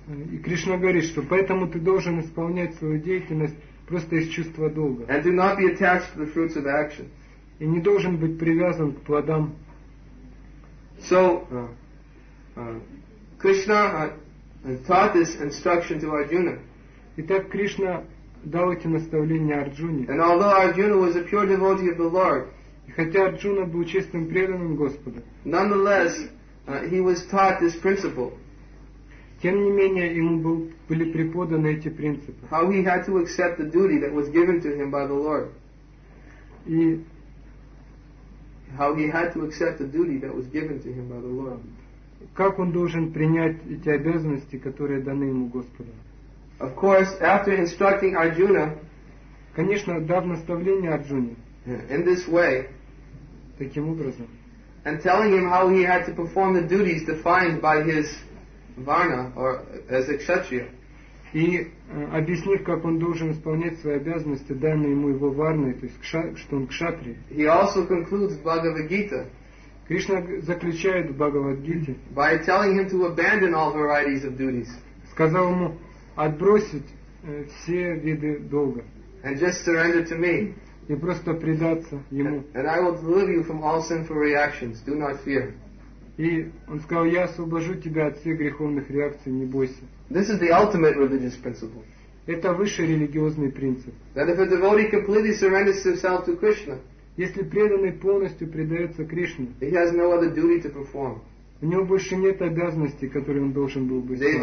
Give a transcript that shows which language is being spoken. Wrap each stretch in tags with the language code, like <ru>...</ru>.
<ru>И Кришна говорит, что поэтому ты должен исполнять свою деятельность просто из чувства долга.</ru> <en>And do not be attached to the fruits of action.</en> <ru>И не должен быть привязан к плодам.</ru> <en>So, Krishna taught this instruction to Arjuna.</en> <ru>Итак, Кришна дал эти наставления Арджуне.</ru> <en>And although Arjuna was a pure devotee of the Lord,</en> <ru>и хотя Арджуна был чистым преданным Господа,</ru> <en>nonetheless, he was taught this principle.</en> <ru>Тем не менее, ему были преподаны эти принципы.</ru> <en>How he had to accept the duty that was given to him by the Lord.</en> <ru>И</ru> <en>how he had to accept the duty that was given to him by the Lord.</en> <ru>Как он должен принять эти обязанности, которые даны ему Господом?</ru> <en>Of course, after instructing Arjuna,</en> <ru>конечно, дав наставление Арджуне,</ru> <en>in this way,</en> <ru>таким образом,</ru> <en>and telling him how he had to perform the duties defined by his varna or as a kshatriya,</en> <ru>и объяснив, как он должен исполнять свои обязанности, данные ему его варной, то есть что он кшатри.</ru> <en>He also concludes Bhagavad-gita.</en> <ru>Кришна заключает в Бхагавад-гите.</ru> <en>By telling him to abandon all varieties of duties.</en> <ru>Сказал ему отбросить все виды долга.</ru> <en>And just surrender to me.</en> <ru>И просто предаться ему.</ru> <en>And I will deliver you from all sinful reactions. Do not fear.</en> <ru>И он сказал, я освобожу тебя от всех греховных реакций, не бойся.</ru> <en>This is the ultimate religious principle.</en> <ru>Это высший религиозный принцип.</ru> <en>That if a devotee completely surrenders himself to Krishna,</en> <ru>если преданный полностью предается Кришне,</ru> <en>he has no other duty to perform.</en> <ru>У него больше нет обязанностей, которые он должен был бы</ru>